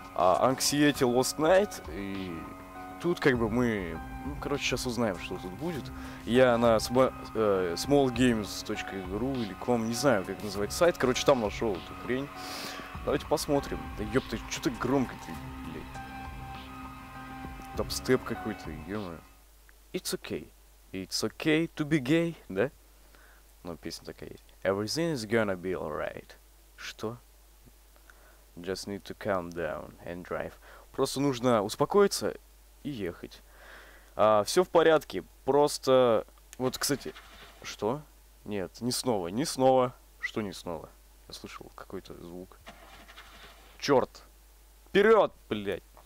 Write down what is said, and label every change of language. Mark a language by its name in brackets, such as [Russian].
[Russian] Anxiety Lost Night, и тут как бы мы, ну, короче, сейчас узнаем, что тут будет. Я на smallgames.ru или com, не знаю, как называть сайт, короче, там нашел эту хрень. Давайте посмотрим. Да ёпта, чё ты громко, блядь. Дабстеп какой-то, ё-моё. [English] It's okay to be gay, [Russian] да? Ну, песня такая есть. [English] Everything is gonna be alright. [Russian] Что? [English] Just need to calm down and drive. [Russian] Просто нужно успокоиться и ехать. А, все в порядке. Просто... Вот, кстати... Что? Нет, не снова. Не снова. Что не снова? Я слышал какой-то звук. Черт! Вперед, блядь!